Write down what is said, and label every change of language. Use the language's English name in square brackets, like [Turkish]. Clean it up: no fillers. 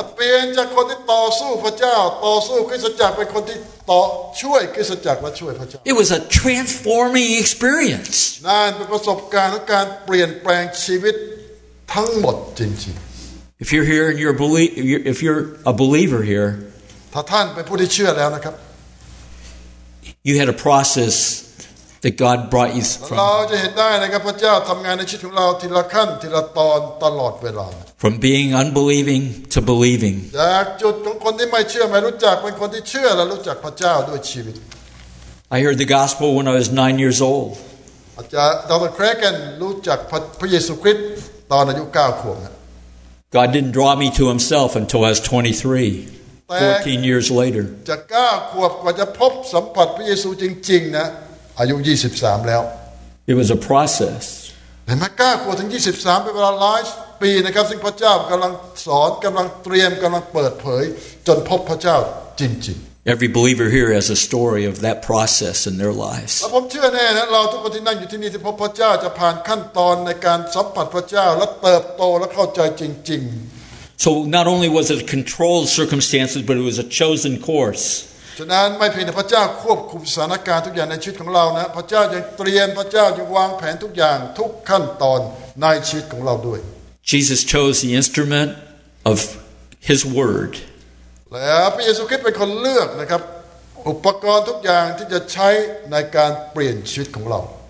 [Thai] เปลี่ยนจากคนที่ต่อสู้พระเจ้าต่อสู้คริสตจักรเป็นคนที่ต่อช่วยคริสตจักรและช่วยพระเจ้า [English] It was a transforming experience. [Thai] นั่นเป็นประสบการณ์การเปลี่ยนแปลงชีวิตทั้งหมดจริง [English] ๆ If you're here and you're if you're a believer here, [Thai] ถ้าท่านเป็นผู้ที่เชื่อแล้วนะครับ [English] You had a process that God brought you from. [Thai] เราจะเห็นได้นะครับพระเจ้าทำงานในชีวิตของเราทีละขั้นทีละตอนตลอดเวลา [English] From being unbelieving to believing. [Thai] จากจุดของคนที่ไม่เชื่อไม่รู้จักเป็นคนที่เชื่อและรู้จักพระเจ้าด้วยชีวิต [English] I heard the gospel when I was 9 years old. [Thai] อาจารย์ดร. Cracken รู้จักพระเยซูคริสต์ตอนอายุ9 ขวบ [English] God didn't draw me to himself until I was 23, 14 years later. [Thai] จาก9 ขวบกว่าจะพบสัมผัสพระเยซูจริงๆนะอายุ23แล้ว [English] It was a process. [Thai] เห็นไหม9ขวบถึง23เป็นเวลาหลายปีนะครับซึ่งพระเจ้ากำลังสอนกำลังเตรียมกำลังเปิดเผยจนพบพระเจ้าจริง [English] ๆ Every believer here has a story of that process in their lives [Thai] ผมเชื่อแน่นะเราทุกคนที่นั่งอยู่ที่นี่ที่พบพระเจ้าจะผ่านขั้นตอนในการสัมผัสพระเจ้าและเติบโตและเข้าใจจริง [English] ๆ So not only was it controlled circumstances but it was a chosen course [Thai] ฉะนั้นไม่เพียงแต่พระเจ้าควบคุมสถานการณ์ทุกอย่างในชีวิตของเรานะพระเจ้ายังเตรียมพระเจ้ายังวางแผนทุกอย่างทุกขั้นตอนในชีวิตของเราด้วย [English] Jesus chose the instrument of His word [Thai] และพระเยซูคริสต์เป็นคนเลือกนะครับอุปกรณ์ทุกอย่างที่จะใช้ในการเปลี่ยนชีวิตของเรา